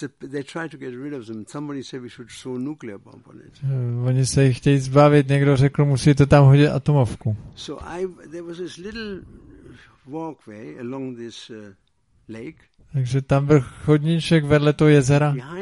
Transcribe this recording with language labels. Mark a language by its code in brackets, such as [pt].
[en] They try to get rid of them. Somebody said we should throw a nuclear bomb on it. [cs] Oni se jich chtějí zbavit. Někdo řekl, musíte tam hodit atomovku. [en] So there was this little walkway along this lake. [cs] Takže tam byl chodníček vedle toho jezera.